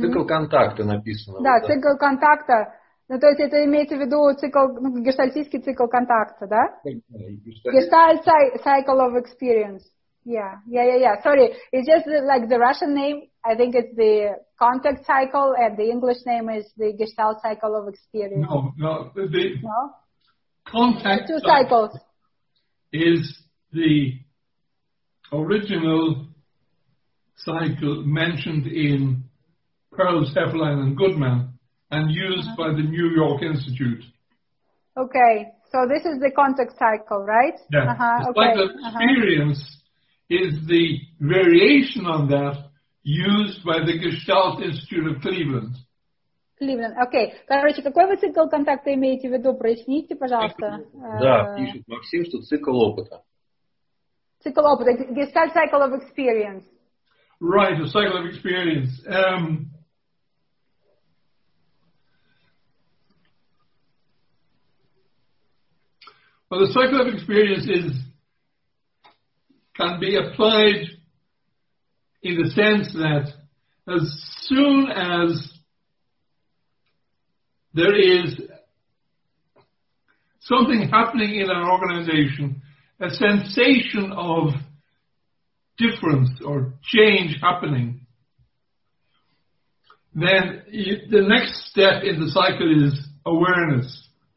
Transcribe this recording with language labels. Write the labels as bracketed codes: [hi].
[ru] Цикл контакта написано. Да, вот цикл так. Контакта. Ну, то есть это имеется в виду цикл, ну, гештальтический цикл контакта, да? [en] Гештальт cycle of experience. Yeah. Sorry. It's just like the Russian name. I think it's the contact cycle, and the English name is the gestalt cycle of experience. No. Contact two cycles is the original cycle mentioned in Pearls, Heffelein, and Goodman, and used by the New York Institute. Okay, so this is the contact cycle, right? Yeah. Uh-huh. The cycle of experience. Uh-huh. Is the variation on that used by the Gestalt Institute of Cleveland. Cleveland, okay. [ru] Короче, какой вы цикл контакта имеете в виду? Проясните, пожалуйста. Да, пишет Максим, что цикл опыта. Цикл опыта, [en] Gestalt cycle of experience. Right, a cycle of experience. Well, the cycle of experience is can be applied in the sense that as soon as there is something happening in an organization, a sensation of difference or change happening, then the next step in the cycle is awareness.